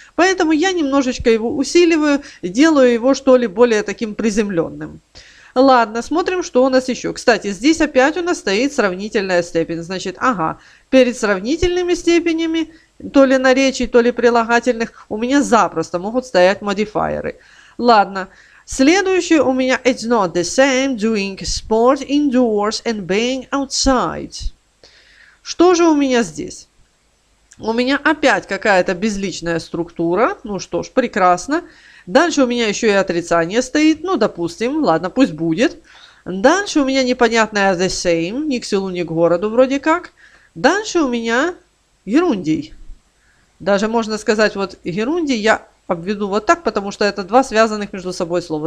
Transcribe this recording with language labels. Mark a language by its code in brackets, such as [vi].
[ru] Поэтому я немножечко его усиливаю, делаю его, что ли, более таким приземленным. Ладно, смотрим, что у нас еще. Кстати, здесь опять у нас стоит сравнительная степень. Значит, ага, перед сравнительными степенями, то ли наречий, то ли прилагательных, у меня запросто могут стоять модифайеры. Ладно. Следующее у меня [en] «It's not the same doing sport indoors and being outside». [ru] Что же у меня здесь? У меня опять какая-то безличная структура. Ну что ж, прекрасно. Дальше у меня еще и отрицание стоит. Ну, допустим, ладно, пусть будет. Дальше у меня непонятное «the same», ни к селу, ни к городу вроде как. Дальше у меня «ерундий». Даже можно сказать, вот «ерундий» я обведу вот так, потому что это два связанных между собой слова.